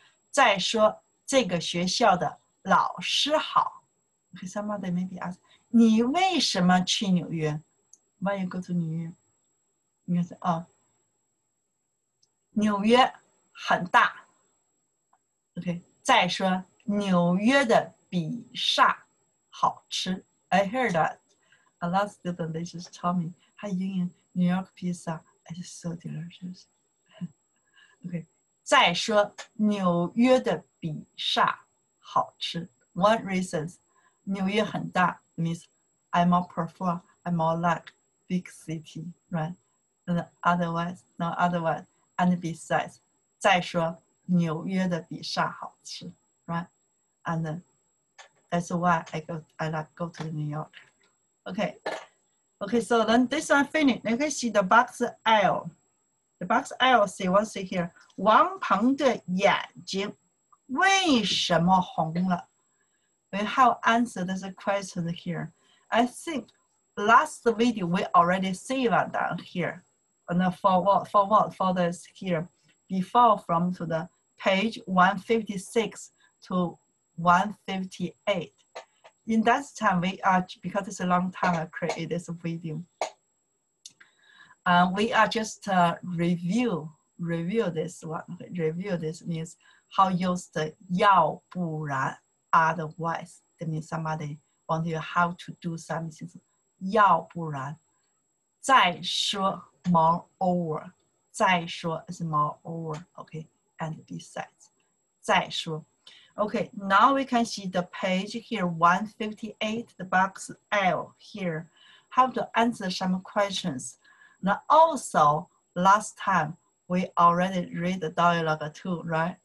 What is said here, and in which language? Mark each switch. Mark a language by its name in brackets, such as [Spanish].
[Chinese] 再说这个学校的老师好 [English] okay, somebody maybe ask, [Chinese] 你为什么去纽约 [English] Why you go to New York? You say, oh, New York [Chinese] 很大。 [English] Okay, [Chinese] 再说纽约的比萨好吃。 [English] I heard that. A lot of students, they just told me, how you eat New York pizza is so delicious. Okay, [Chinese] 再说纽约的比萨好吃。 [English] One reason, [Chinese] 纽约很大 [English] means I'm more prefer, I'm more like,Big city, right? And otherwise, no otherwise. And besides, [Chinese] 再说纽约的比萨好吃 [English] right? And that's why I like go to New York. Okay, Okay, so then this one finished. You can see the box aisle. The box aisle, see what's it here? [Chinese] 王鹏的眼睛为什么红了? [English] We have answered this question here. I think last video, we already see one down here. And for this here? Before from to the page 156 to 158. In that time, we are, because it's a long time I created this video. We are just review this means how use the [Chinese] 要不然, [English] otherwise. That means somebody want you how to do something. [Chinese] 要不然, 再说, [English] moreover. [Chinese] 再说 [English] is moreover, okay, and besides. [Chinese] 再说. [English] Okay, now we can see the page here, 158, the box L here. How to answer some questions. Now also, last time, we already read the dialogue too, right?